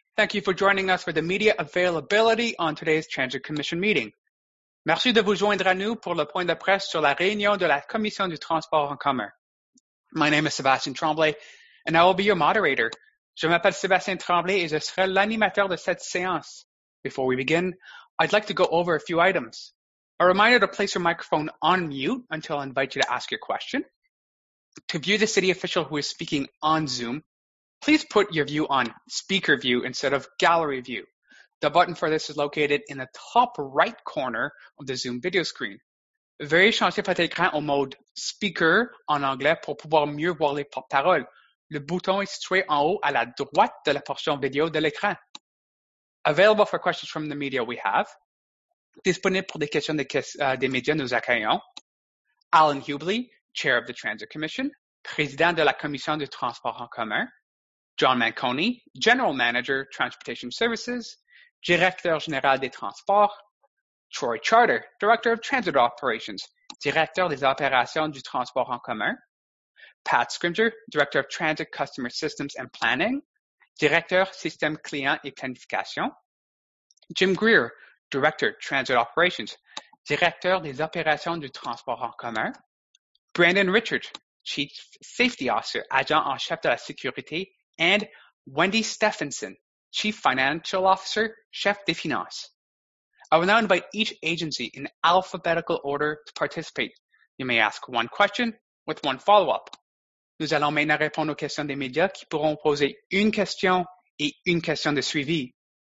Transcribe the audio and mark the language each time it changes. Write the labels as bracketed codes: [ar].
[en] Thank you for joining us for the media availability on today's Transit Commission meeting. [fr] Merci de vous joindre à nous pour le point de presse sur la réunion de la Commission du Transport en commun. [en] My name is Sébastien Tremblay, and I will be your moderator. [fr] Je m'appelle Sébastien Tremblay et je serai l'animateur de cette séance. [en] Before we begin, I'd like to go over a few items. A reminder to place your microphone on mute until I invite you to ask your question. To view the city official who is speaking on Zoom, please put your view on speaker view instead of gallery view. The button for this is located in the top right corner of the Zoom video screen. [fr] Veuillez changer votre écran au mode speaker en anglais pour pouvoir mieux voir les porte-paroles. Le bouton est situé en haut à la droite de la portion vidéo de l'écran. [en] Available for questions from the media we have. [fr] Disponible pour des questions des médias nous accueillons. Alan Hubley, [en] Chair of the Transit Commission, [fr] Président de la Commission du Transport en commun, John Manconi, [en] General Manager, Transportation Services, [fr] Directeur Général des Transports, Troy Charter, [en] Director of Transit Operations, [fr] Directeur des Opérations du Transport en commun, Pat Scrimger, [en] Director of Transit Customer Systems and Planning, [fr] Directeur Système Client et Planification, Jim Greer, [en] Director Transit Operations, [fr] Directeur des Opérations du Transport en commun, Brandon Richard, [en] Chief Safety Officer, [fr] Agent en Chef de la Sécurité, and Wendy Stephenson, [en] Chief Financial Officer, [fr] Chef des Finances. [en] I will now invite each agency in alphabetical order to participate. You may ask one question with one follow-up. [fr] Nous allons maintenant répondre aux questions des médias qui pourront poser une question et une question de suivi.